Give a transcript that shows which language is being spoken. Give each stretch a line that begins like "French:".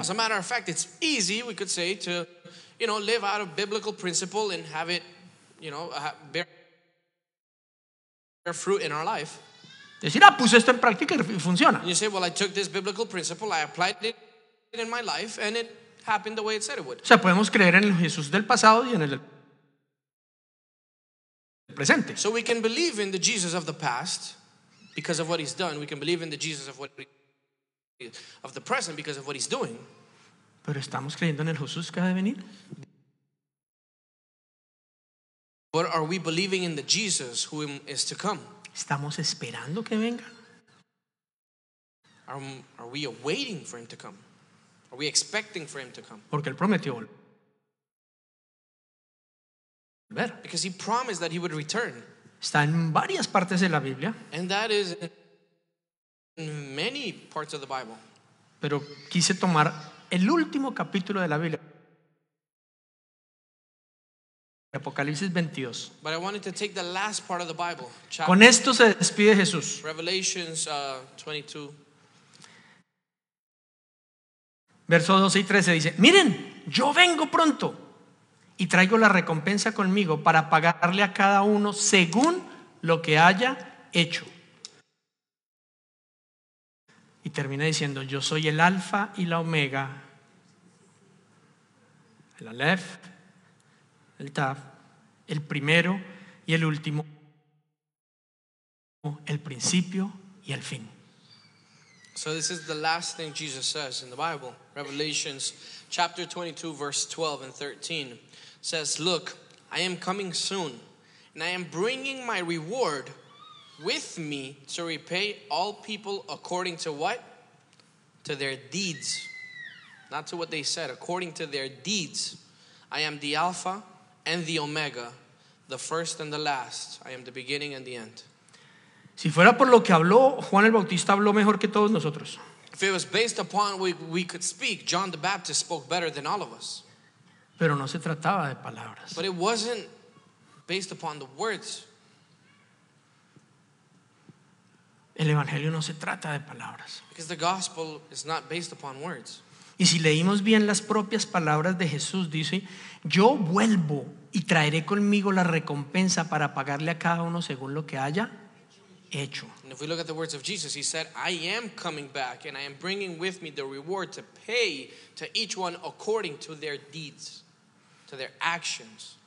English: As a matter of fact, it's easy, we could say, to, you know, live out a biblical principle and have it, you know, bear fruit in our life.
Spanish: Decir, ah, puse esto en práctica y funciona.
English: You say, well, I took this biblical principle, I applied it in my life, and it happened the way it said it would.
Spanish: O sea, podemos creer en el Jesús del pasado y en el presente.
English: So we can believe in the Jesus of the past because of what he's done. We can believe in the Jesus of what of the present because of what he's doing.
Spanish: Pero estamos creyendo en el Jesús que ha de venir.
English: But are we believing in the Jesus who is to come?
Spanish: Estamos esperando que venga.
English: Are we awaiting for him to come? Are we expecting for him to come?
Spanish: Porque él prometió.
English: Because he promised that he would return.
Spanish: Está en varias partes de la Biblia.
English: And that is in many parts of the Bible.
Spanish: Pero quise tomar el último capítulo de la Biblia. Apocalipsis 22.
English: But I wanted to take the last part of the Bible. Chapter.
Spanish: Con esto se despide Jesús.
English: Revelations 22.
Spanish: Verso 12 y 13 dice, miren, yo vengo pronto. Y traigo la recompensa conmigo para pagarle a cada uno según lo que haya hecho. Y termina diciendo, yo soy el Alfa y la Omega, el Aleph, el Tav, el primero y el último, el principio y el fin.
English: So this is the last thing Jesus says in the Bible, Revelations chapter 22 verse 12 and 13. Says, look, I am coming soon, and I am bringing my reward with me to repay all people according to what? To their deeds. Not to what they said, according to their deeds. I am the Alpha and the Omega, the first and the last. I am the beginning and the end.
Spanish: Si fuera por lo que habló, Juan el Bautista habló mejor que todos nosotros.
English: If it was based upon what we could speak, John the Baptist spoke better than all of us.
Spanish: Pero no se trataba de palabras.
English: But it wasn't based upon the words.
Spanish: El evangelio no se trata de palabras.
English: Because the gospel is not based upon words.
Spanish: Y si leímos bien las propias palabras de Jesús, dice, yo vuelvo y traeré conmigo la recompensa para pagarle a cada uno según lo que haya hecho.
English: And if we look at the words of Jesus, he said, I am coming back and I am bringing with me the reward to pay to each one according to their deeds, to their actions.